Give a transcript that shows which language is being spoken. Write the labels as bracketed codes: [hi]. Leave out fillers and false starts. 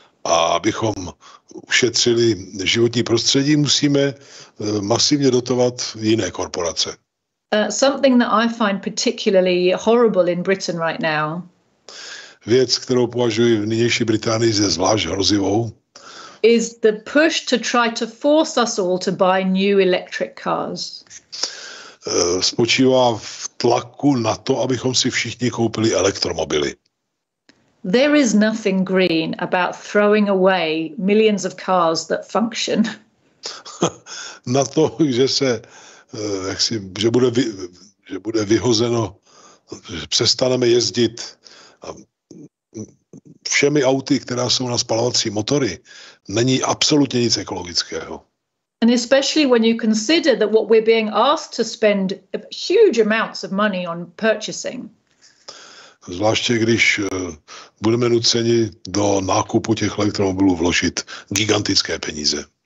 [cs] A abychom ušetřili životní prostředí, musíme masivně dotovat jiné korporace. [en] Something that I find particularly horrible in Britain right now. [cs] Věc, kterou považuji v nynější Británii za zvlášť hrozivou, [en] is the push to try to force us all to buy new electric cars. [cs] Spočívá v tlaku na to, abychom si všichni koupili elektromobily. [en] There is nothing green about throwing away millions of cars that function. [cs] Na to, že se že bude vyhozeno, že přestaneme jezdit všemi auty, která jsou na spalovací motory, není absolutně nic ekologického. [en] And especially when you consider that what we're being asked to spend huge amounts of money on purchasing. [cs] Zvláště když budeme nuceni do nákupu těch elektromobilů vložit gigantické peníze.